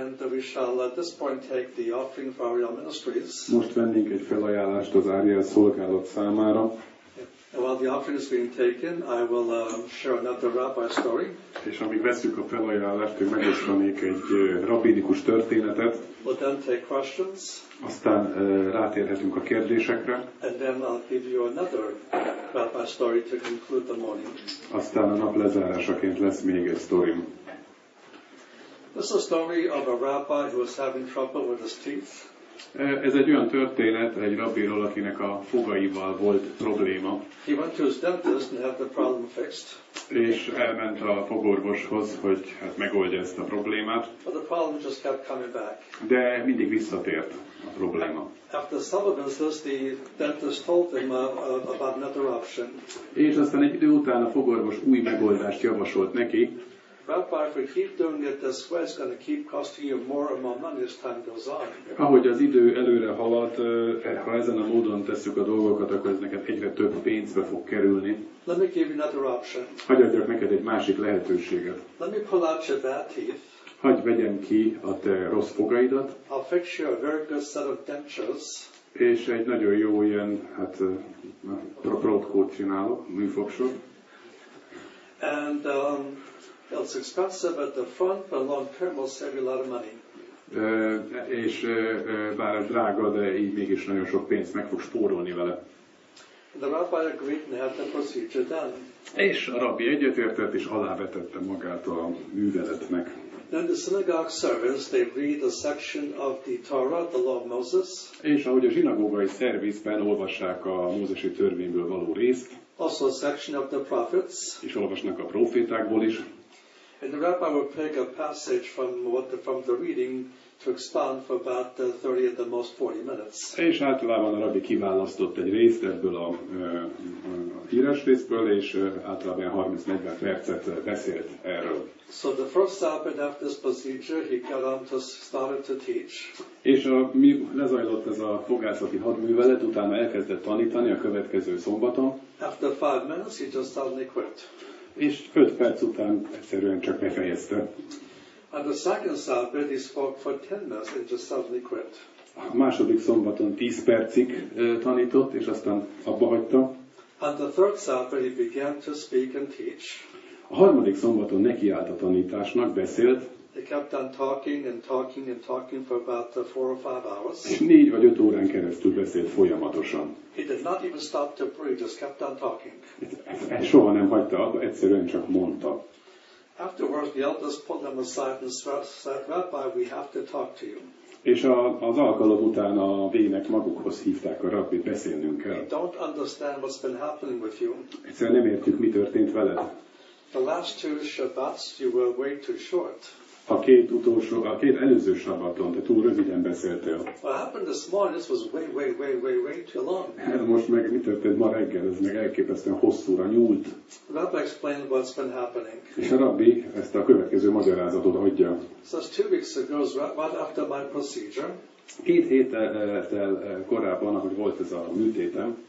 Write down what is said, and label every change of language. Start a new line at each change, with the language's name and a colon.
English: we shall at this point take the offering for our ministries.
Hungarian: Most vennénk egy felajánlást az Ariel szolgálat számára.
English: And while the offering is being taken, I will share another rabbi story.
Hungarian: És amíg veszük a felajánlást, ő megosztanék egy rabbinikus történetet.
English: We'll then take questions.
Hungarian: Aztán rátérhetünk a kérdésekre.
English: And then I'll give you another rabbi story to conclude the morning.
Hungarian: Aztán a nap lezárásaként lesz még egy sztorim.
English: This is a story of a rabbi who was having trouble with his teeth.
Hungarian: Ez egy olyan történet egy rabbiról, akinek a fogaival volt probléma.
English: He went to his dentist and had the problem fixed.
Hungarian: És elment a fogorvoshoz, hogy hát megoldja ezt a problémát.
English: But the problem just kept coming back.
Hungarian: De mindig visszatért a probléma.
English: After some of this, the dentist told him about another option.
Hungarian: És aztán egy idő után a fogorvos új megoldást javasolt neki.
English: Rabbi, if we keep doing it this way, it's going to keep costing you more and more money as time goes on.
Hungarian: Ahogy az idő előre halad, ha ezen a módon tesszük a dolgokat, akkor ez neked egyre több pénzbe fog kerülni.
English: Let me give you another option.
Hungarian: Hagyj adjak neked egy másik lehetőséget.
English: Let me pull out your bad teeth.
Hungarian: Hagyj vegyem ki a te rossz fogaidat.
English: I'll fix you a very good set of dentures.
Hungarian: És egy nagyon jó ilyen, hát, protkót csinálok, műfogsor.
English: And, it's expensive at the front, but long term will save you a lot of money.
Hungarian: És bár drága, de így mégis nagyon sok pénzt meg fog spórolni vele.
English: The rabbi agreed and had the procedure done.
Hungarian: És a rabbi egyetértett és alávetette magát a műveletnek.
English: Then the synagogue service, they read a section of the Torah, the law of Moses.
Hungarian: És ahogy a zsinagógai szervizben olvassák a mózesi törvényből való részt.
English: Also a section of the prophets.
Hungarian: És olvasnak a prófétákból is.
English: And the rabbi would pick a passage from the reading to expound for about 30 at the most 40 minutes.
Hungarian: És általában a rabbi kiválasztott egy részt ebből a híres részből, és általában 30-40 percet beszélt erről.
English: So the first Sabbath after this procedure, he got on to started to teach.
Hungarian: És mi lezajlott ez a fogászati hadművelet, utána elkezdett tanítani a következő szombaton.
English: After 5 minutes, he just suddenly quit.
Hungarian: És 5 perc után egyszerűen csak befejezte.
English: On the second Sabbath, he spoke for 10 minutes and just suddenly quit.
Hungarian: A második szombaton 10 percig tanított, és aztán abba hagyta.
English: On the third Sabbath, he began to speak and teach.
Hungarian: A harmadik szombaton nekiállt a tanításnak, beszélt.
English: He kept on talking and talking and talking for about 4 or 5 hours.
Hungarian: 4 vagy 5 órán keresztül beszélt folyamatosan.
English: He did not even stop to breathe, just kept on talking.
Hungarian: Ez soha nem hagyta abba, egyszerűen csak mondta.
English: Afterwards, the elders pulled him aside and said, Rabbi, we have to talk to you.
Hungarian: És az alkalom után a vének magukhoz hívták a rabbit, beszélnünk kell.
English: We don't understand what's been happening with you.
Hungarian: Egyszerűen nem értjük, mi történt veled.
English: The last two Shabbats you were way too short.
Hungarian: A két előző sabbaton, de túl röviden beszéltél.
English: What happened this morning? This was way, way, way, way, way too long.
Hungarian: Most meg mi történt ma reggel? Ez meg elképesztően hosszúra nyúlt.
English: Rabbi explained what's been happening.
Hungarian: És a rabbi ezt a következő magyarázatot adja.
English: So 2 weeks ago, right after my procedure.
Hungarian: 2 héttel korábban, ahogy volt ez a műtétem.